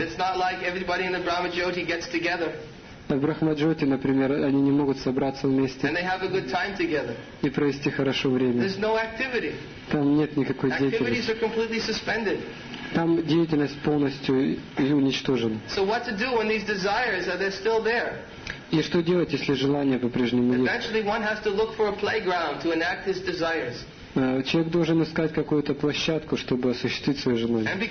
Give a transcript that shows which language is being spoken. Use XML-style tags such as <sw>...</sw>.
<en>It's not like everybody in the Brahmacharya gets together.</en> <ru>В Брахмаджоте, например, они не могут собраться вместе.</ru> <en>And they have a good time together.</en> <ru>И провести хорошо время.</ru> <en>There's no activity.</en> <ru>Там нет никакой деятельности.</ru> <en>Activities are completely suspended.</en> <ru>Там деятельность полностью уничтожена.</ru> <en>So what to do when these desires are they're still there?</en> <ru>И что делать, если желание по-прежнему есть?</ru> <en>Eventually, one has to look for a playground to enact his desires.</en> <ru>Человек должен искать какую-то площадку, чтобы осуществить свои желания.</ru>